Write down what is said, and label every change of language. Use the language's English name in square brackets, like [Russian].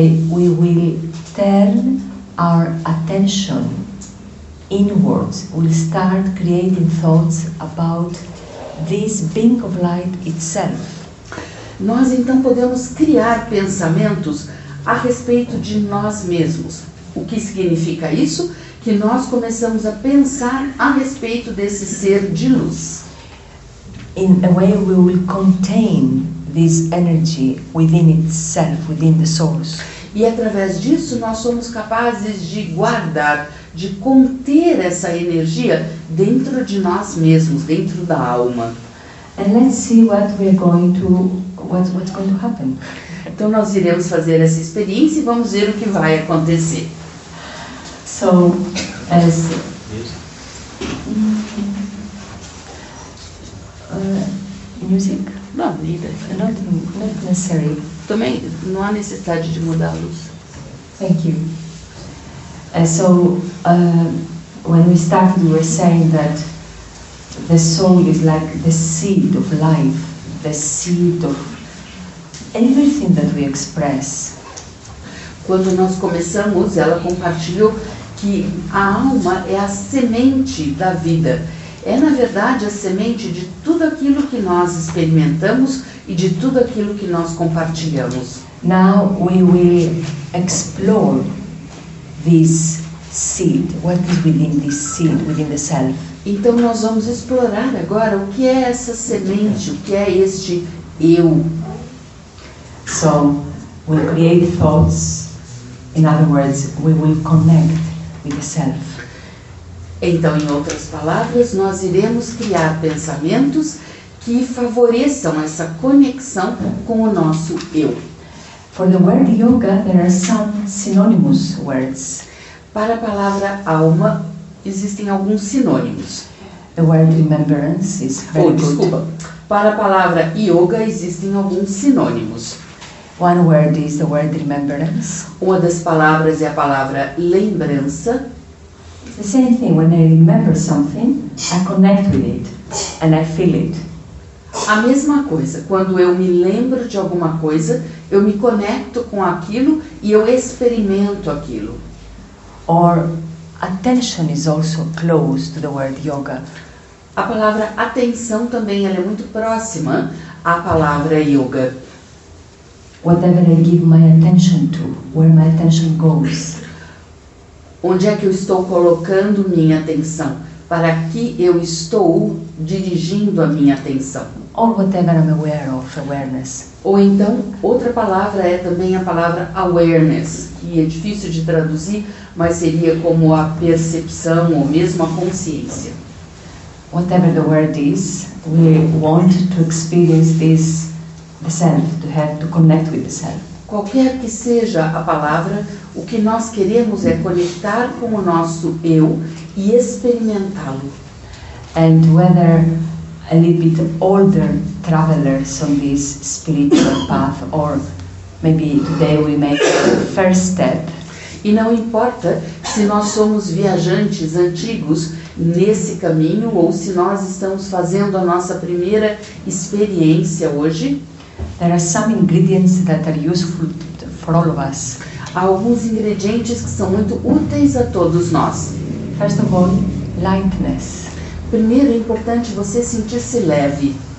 [English] we will turn our attention inwards. We'll start creating thoughts about this being of light itself. [Portuguese] Nós então podemos criar pensamentos a respeito de nós mesmos. O que significa isso? Que nós começamos a pensar a respeito desse ser de luz. [English] In a way, we will contain this energy within itself, within the source. [Portuguese] E através disso, nós somos capazes de guardar de conter essa energia dentro de nós mesmos, dentro da alma. [English] And let's see what we're going to what's going to happen. [Portuguese] Então nós iremos fazer essa experiência e vamos ver o que vai acontecer. [English] So, as music? [Portuguese] Não, [English] neither. Not necessary. [Portuguese] Também não há necessidade de mudar a luz. [English] Thank you. So, when we started, we were saying that the soul is like the seed of life, the seed of everything that we express. [Portuguese] Quando nós começamos, ela compartilhou que a alma é a semente da vida. É, na verdade, a semente de tudo aquilo que nós experimentamos e de tudo aquilo que nós compartilhamos. [English] Now we will explore this seed. What is within this seed, within the self? [Portuguese] Então nós vamos explorar agora o que é essa semente, o que é este eu. [English] So, we create thoughts. In other words, we will connect with the self. [Portuguese] Então, em outras palavras, nós iremos criar pensamentos que favoreçam essa conexão com o nosso eu. [English] For the word yoga, there are some synonymous words. [Portuguese] Para a palavra alma, existem alguns sinônimos. [English] The word remembrance is very good. [Portuguese] Desculpa. Para a palavra yoga, existem alguns sinônimos. [English] One word is the word remembrance. [Portuguese] Uma das palavras é a palavra lembrança. [English] The same thing, when I remember something, I connect with it and I feel it. [Portuguese] A mesma coisa, quando eu me lembro de alguma coisa, eu me conecto com aquilo e eu experimento aquilo. [English] Or attention is also close to the word yoga. [Portuguese] A palavra atenção também, ela é muito próxima à palavra yoga. [English] Whatever I give my attention to, where my attention goes. [Portuguese] Onde é que eu estou colocando minha atenção? Para que eu estou dirigindo a minha atenção? [English] Or whatever I'm aware of, awareness. [Portuguese] Ou então, outra palavra é também a palavra awareness, que é difícil de traduzir, mas seria como a percepção ou mesmo a consciência. [English] Whatever the word is, we want to experience this, the self, to have to connect with the self. [Portuguese] Qualquer que seja a palavra, o que nós queremos é conectar com o nosso eu e experimentá-lo. [English] And whether a little bit older travelers on this spiritual path, or maybe today we make the first step. [Portuguese] E não importa se nós somos viajantes antigos nesse caminho ou se nós estamos fazendo a nossa primeira experiência hoje. [English] There are some ingredients that are useful for all of us. [Portuguese] Há alguns ingredientes que são muito úteis a todos nós. [English] First of all, lightness. [Portuguese] Primeiro, é importante você sentir-se leve.